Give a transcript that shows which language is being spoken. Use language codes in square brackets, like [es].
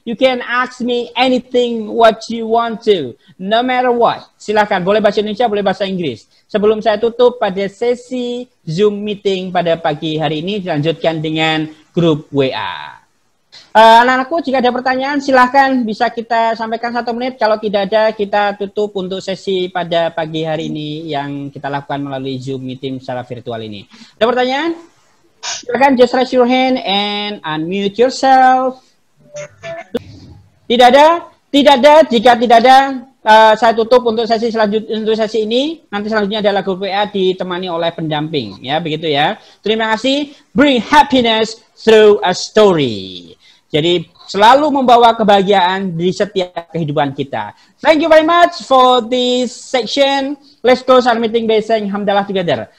[en] You can ask me anything what you want to, no matter what. [id] Silakan, boleh bahasa Indonesia, boleh bahasa Inggris. Sebelum saya tutup pada sesi Zoom meeting pada pagi hari ini, dilanjutkan dengan grup WA. Anak-anakku, jika ada pertanyaan, silakan bisa kita sampaikan 1 menit. Kalau tidak ada, kita tutup untuk sesi pada pagi hari ini yang kita lakukan melalui Zoom meeting secara virtual ini. Ada pertanyaan? Silakan just raise your hand and unmute yourself. Tidak ada? Tidak ada? Jika tidak ada, saya tutup untuk sesi selanjutnya, untuk sesi ini. Nanti selanjutnya adalah grup WA ditemani oleh pendamping, ya, begitu ya. Terima kasih. Bring happiness through a story. Jadi selalu membawa kebahagiaan di setiap kehidupan kita. [en] Thank you very much for this section. Let's close our meeting by saying hamdalah together.